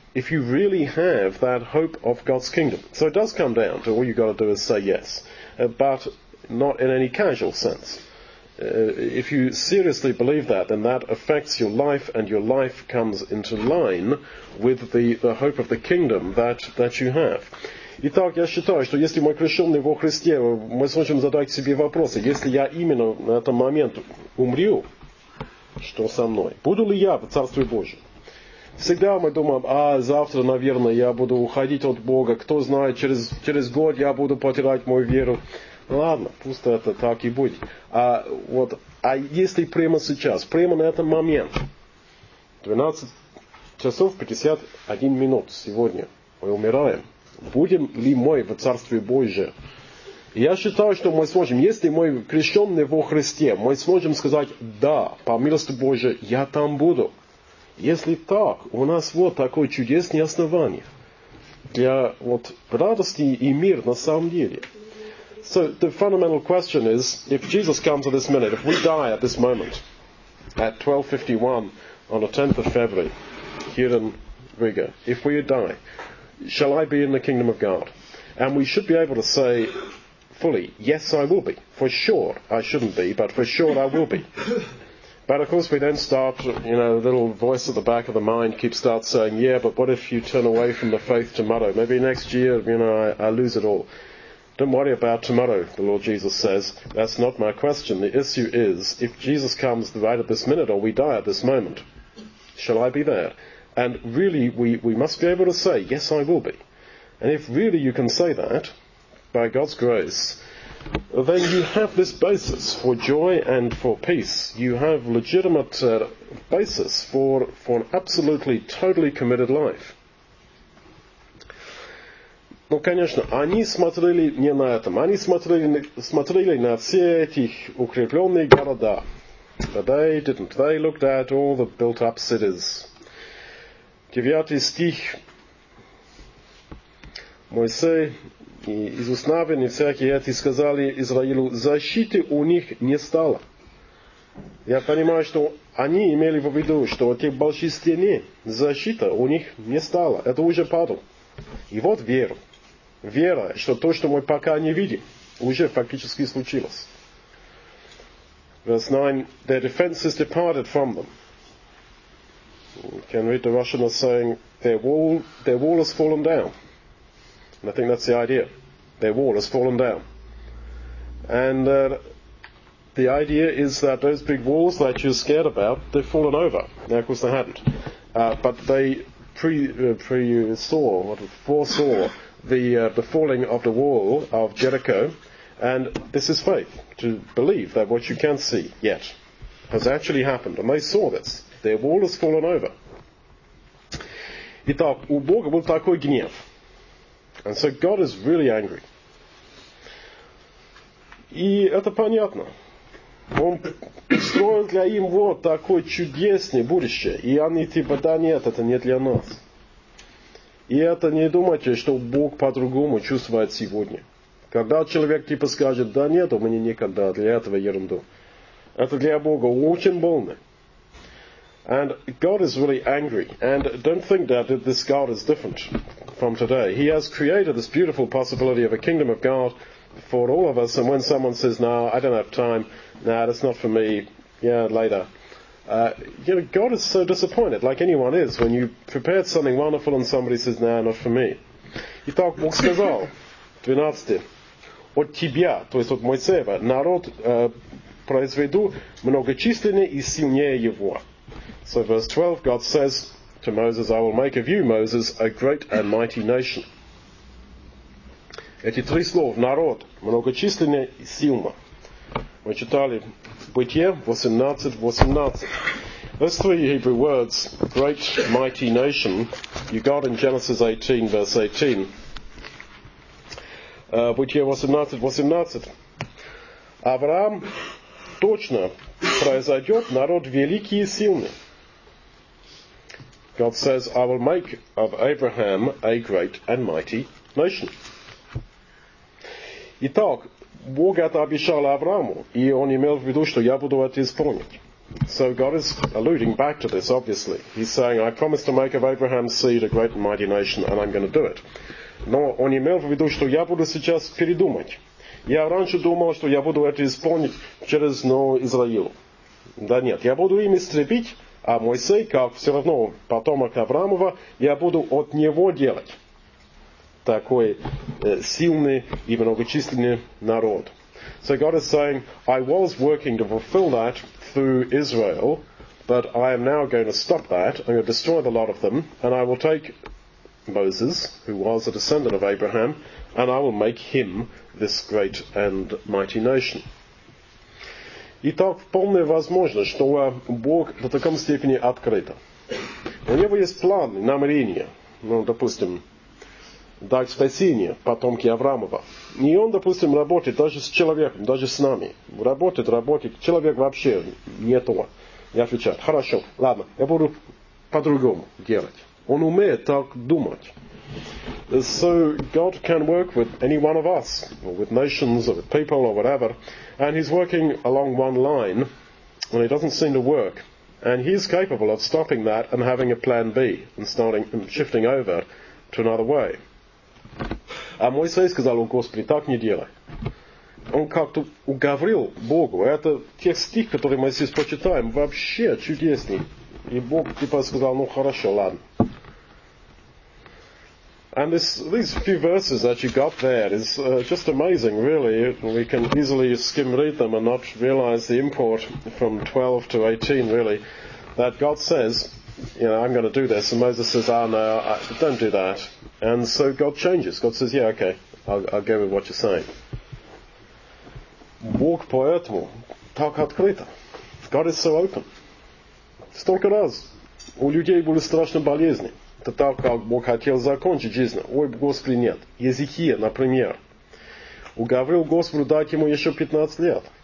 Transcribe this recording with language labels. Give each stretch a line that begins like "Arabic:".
English: If you really have that hope of God's kingdom. So it does come down to all you've got to do is say yes, but not in any casual sense. If you seriously believe that, then that affects your life, and your life comes into line with the hope of the kingdom that you have.
Russian: Итак, я считаю, что если мы крещены во Христе, мы сможем задать себе вопросы. Если я именно на этот момент умру, что со мной? Буду ли я в Царстве Божьем? Всегда мы думаем, а завтра, наверное, я буду уходить от Бога. Кто знает, через год я буду потерять мою веру. Ладно, пусть это так и будет. А если прямо сейчас, прямо на этот момент, 12 часов 51 минут сегодня, мы умираем, будем ли мы в Царстве Божьем? Я считаю, что мы сможем, если мы крещены во Христе, мы сможем сказать, да, по милости Божьей, я там буду. Если так, у нас вот такое чудесное основание для вот радости и мир на самом деле.
English: So the fundamental question is, if Jesus comes at this minute, if we die at this moment, at 12:51 on the 10th of February, here in Riga, if we die, shall I be in the kingdom of God? And we should be able to say fully, yes, I will be. For sure, I shouldn't be, but for sure I will be. But of course we then start, you know, the little voice at the back of the mind keeps start saying, yeah, but what if you turn away from the faith tomorrow? Maybe next year, you know, I lose it all. Don't worry about tomorrow, the Lord Jesus says. That's not my question. The issue is, if Jesus comes right at this minute or we die at this moment, shall I be there? And really, we must be able to say, yes, I will be. And if really you can say that, by God's grace, then you have this basis for joy and for peace. You have legitimate basis for an absolutely, totally committed life.
Russian: Ну, конечно, они смотрели не на этом. Они смотрели на все эти укрепленные города.
English: But they didn't. They looked at all the built-up cities.
Russian: 9 стих. Моисей и Иисус Навин и всякие эти сказали Израилю, защиты у них не стало. Я понимаю, что они имели в виду, что те большие стены, защита у них не стало. Это уже падал. И вот веру. Вера, что то, что мы пока не видим, уже фактически случилось.
English: Verse 9. Their defenses departed from them. You can read the Russian as saying, their wall has fallen down. And I think that's the idea. Their wall has fallen down. And the idea is that those big walls that you're scared about, they've fallen over. Now, of course, they hadn't. But they foresaw the falling of the wall of Jericho, and this is faith, to believe that what you can't see yet has actually happened. And they saw this. Their wall has fallen over.
Russian: Итак, у Бога был такой гнев.
English: And so God is really angry.
Russian: И это понятно. Он строил для им вот такое чудесное будущее. И они типа, да нет, это не для нас. И это не думайте, что Бог по-другому чувствует сегодня. Когда человек типа скажет, да нет, у меня никогда для этого ерунду. Это для Бога очень больно.
English: And God is really angry. And don't think that this God is different from today. He has created this beautiful possibility of a kingdom of God for all of us. And when someone says, no, I don't have time, no, that's not for me, yeah, later. You know, God is so disappointed, like anyone is, when you prepared something wonderful and somebody says, no, not for me.
Russian: Итак, Бог сказал, 12, от тебя, то есть от Моисея, народ произведу многочисленнее и сильнее его.
English: So verse 12, God says to Moses, I will make of you, Moses, a great and mighty nation.
Russian: Эти три слова, народ, многочисленнее и сильнее. Мы читали Бытие 18:18.
English: Those three Hebrew words, great, mighty nation, you got in Genesis 18, verse 18.
Russian: Бытие 18:18. Авраам точно произойдет народ великий и сильный.
English: God says, I will make of Abraham a great and mighty nation.
Russian: Итак, Бог это обещал Аврааму, и он имел в виду, что я буду это исполнить.
English: So God is alluding back to this, obviously. He's saying, I promised to make of Abraham's seed a great and mighty nation, and I'm going to do it.
Russian: Но он имел в виду, что я буду сейчас передумать. Я раньше думал, что я буду это исполнить через Израил. Да нет, я буду им истребить, а мой сын, как все равно потомок Авраамова, я буду от него делать такой сильный и многочисленный народ.
English: So God is saying, I was working to fulfill that through Israel, but I am now going to stop that, I'm going to destroy the lot of them, and I will take Moses, who was a descendant of Abraham, and I will make him this great and mighty nation.
Russian: Итак, вполне возможно, что Бог в таком степени открыт. У него есть план, намерение, допустим, дать спасение потомки Авраамова. И он, допустим, работает даже с человеком, даже с нами. Работает, человек вообще не то. Я отвечаю, хорошо, ладно, я буду по-другому делать. Он умеет так думать.
English: So God can work with any one of us, or with nations, or with people, or whatever, and he's working along one line, and it doesn't seem to work, and he's capable of stopping that and having a plan B, and starting and shifting over to another way.
Russian: А Моисей сказал, Господи, так не делай. Он как-то уговорил Богу. Это те стихи, которые мы здесь почитаем, вообще чудесные. И Бог типа сказал, хорошо, ладно.
English: And these few verses that you got there is just amazing, really. We can easily skim read them and not realize the import from 12 to 18, really. That God says, I'm going to do this. And Moses says, don't do that. And so God changes. God says, I'll go with what you're saying.
Russian: Бог поэтому так открыто.
English: God is so open.
Russian: Столько раз у людей были страшные болезни. Это так, как Бог хотел закончить жизнь. Ой, Господи, нет. Езекия, например, уговорил Господу дать ему еще 15 лет.